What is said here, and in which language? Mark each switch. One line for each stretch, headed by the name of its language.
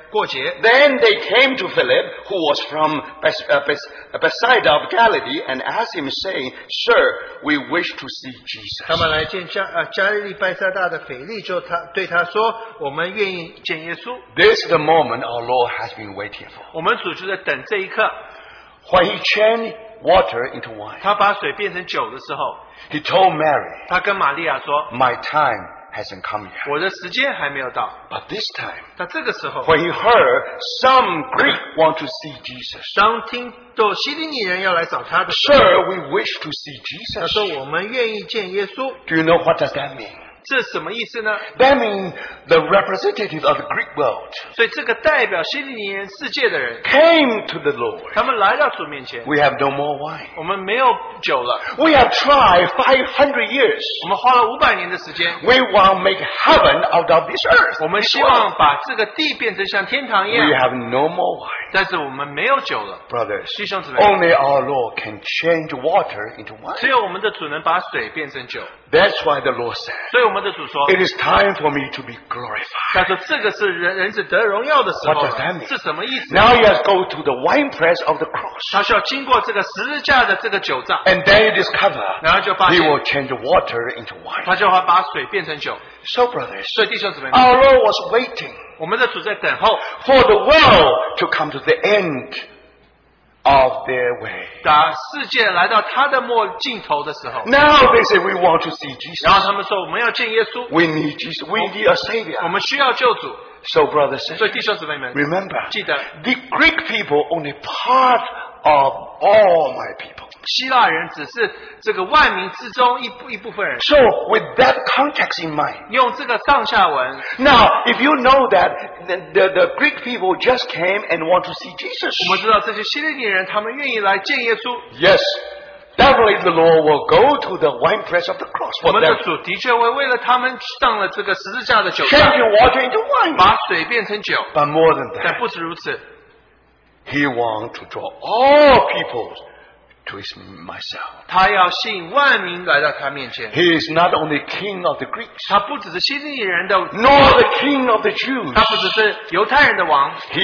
English: Then they came to Philip, who was from Bethsaida of Galilee, and asked him, saying, Sir, we wish to see Jesus.
Chinese: 他们来见加利利拜撒大的腓力，就对他说，我们愿意见耶稣。
English: This is the moment our Lord has been waiting for.
Chinese: 我们主就在等这一刻。
English: When he changed water into wine,
Chinese: 他把水变成酒的时候,
English: he told Mary,
Chinese: 他跟玛利亚说,
English: My time hasn't come yet.
Chinese: 我的时间还没有到,
English: but this time,
Chinese: 但这个时候,
English: when you heard some Greek want to see Jesus,
Chinese: 当听到希利尼人要来找他的时候,
English: Sir, we wish to see Jesus.
Chinese: 他说我们愿意见耶稣。
English: Do you know what does that mean?
Chinese: 这什么意思呢?
English: That means the representative of the Greek world came to the Lord. We have no more wine. We have tried 500 years. We want to make heaven out of this earth. We have no more wine. Brothers, only our Lord can change water into wine. That's why the Lord said,
Chinese: 所以我们的主说,
English: it is time for me to be glorified.
Chinese: 但是这个是人子得荣耀的时候,
English: what does that mean?
Chinese: 是什么意思?
English: Now you have to go to the wine press of the cross.
Chinese: 他需要经过这个十字架的这个酒榨,
English: and then you discover
Chinese: 然后就发现,
English: he will change water into wine.
Chinese: 他就把水变成酒,
English: so brothers,
Chinese: 所以弟兄姊妹,
English: our Lord was waiting
Chinese: 我们的主在等候,
English: for the world to come to the end of their way. Now they say we want to see Jesus.
Chinese: 然后他们说, 我们要见耶稣,
English: we need Jesus. We need a Savior.
Chinese: 我们需要救主,
English: so brothers and sisters, remember,
Chinese: 记得,
English: the Greek people only part of all my people.
Chinese: 希腊人只是这个万民之中一部分人,
English: so with that context in mind,
Chinese: 用这个上下文,
English: now if you know that the Greek people just came and want to see Jesus,
Chinese: 我们知道这些希腊人他们愿意来见耶稣,
English: yes, definitely the Lord will go to the wine press of the cross for them.
Chinese: 我们的主的确会为了他们上了这个十字架的酒,
English: change water into wine,
Chinese: 把水变成酒,
English: but more than that,
Chinese: 但不止如此,
English: he wants to draw all people to his myself. He is not only king of the Greeks, nor the king of the Jews.